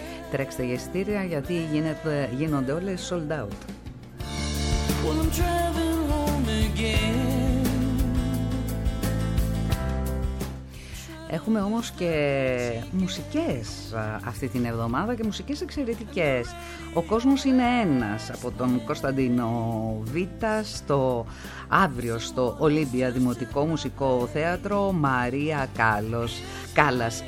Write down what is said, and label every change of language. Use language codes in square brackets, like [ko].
[el] Τρέξτε για εισιτήρια, γιατί γίνονται όλες sold out. [en] Well, I'm driving home again. [el] Έχουμε όμως και μουσικές αυτή την εβδομάδα και μουσικές εξαιρετικές. Ο κόσμος είναι ένας, από τον Κωνσταντίνο Βίτα, στο αύριο στο Ολύμπια Δημοτικό Μουσικό Θέατρο Μαρία Κάλλας.